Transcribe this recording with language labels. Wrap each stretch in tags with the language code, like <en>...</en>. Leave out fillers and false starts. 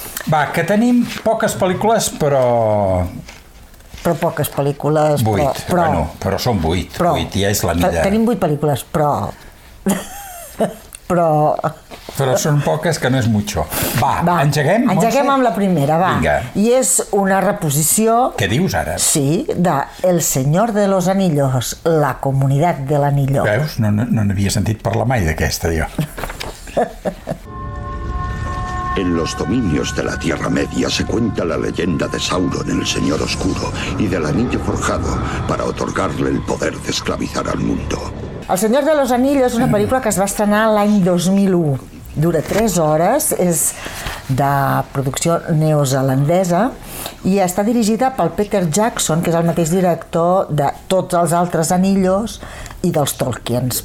<ca>Va, que tenim poques pel·lícules, però... Però poques pel·lícules... Vuit, però... bueno, però són vuit. Però... Vuit, ja és la mida. Tenim vuit pel·lícules, però... però... Però són poques, que no és mucho. Va, engeguem, Montse? Engeguem amb la primera, va. Vinga. I és una reposició... Què dius ara? Sí, de El Señor de los Anillos, La Comunidad de l'Anillo. Veus? No, no, no n'havia sentit parlar mai d'aquesta, jo.</ca> <es>En los dominios de la Tierra Media se cuenta la leyenda de Sauron, el Señor Oscuro, y del Anillo Forjado para otorgarle el poder de esclavizar al mundo.</es> <ca>El Señor de los Anillos és una pel·lícula que es va estrenar l'any 2001. Dura 3 hores, és de producció neozelandesa i està dirigida pel Peter Jackson, que és el mateix director de tots els altres Anillos i dels Tolkiens.</ca>